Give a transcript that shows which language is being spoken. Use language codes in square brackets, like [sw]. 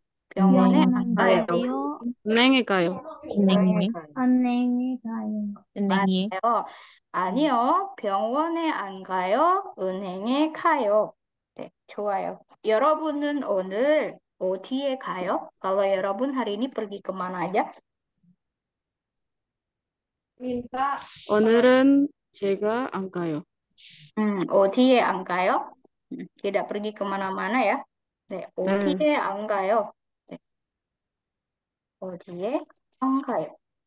[ko] 병원에 안 가요. 은행에 가요. 은행에. 은행에 가요. 은행에. 맞아요. 아니요, 병원에 안 가요. 은행에 가요. 네, 좋아요. 여러분은 오늘 어디에 가요? 그럼 여러분 [id] hari ini pergi kemana aja? [ko] 민다 오늘은 제가 안 가요. 어디에 안 가요? [id] Tidak pergi kemana-mana ya. [ko] 네, 네. 어디에 안 가요? 어디에 안 가요?